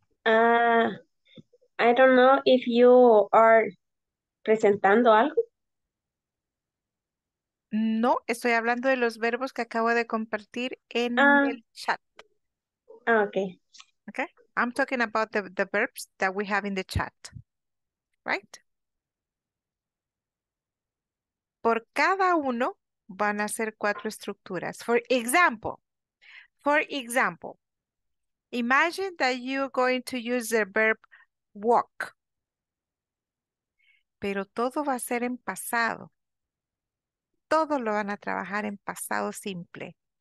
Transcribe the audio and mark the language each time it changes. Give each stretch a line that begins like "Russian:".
English: I don't know if you are
Spanish: presentando algo. No, estoy hablando de los verbos que acabo de compartir en el chat.
English: Okay. Okay. I'm talking about the verbs that we have in the chat. Right?
Spanish: Por cada uno van a ser 4 estructuras.
English: For example, imagine that you're going to use the verb walk.
Spanish: Pero todo va a ser en pasado. Todo lo van a trabajar en pasado simple.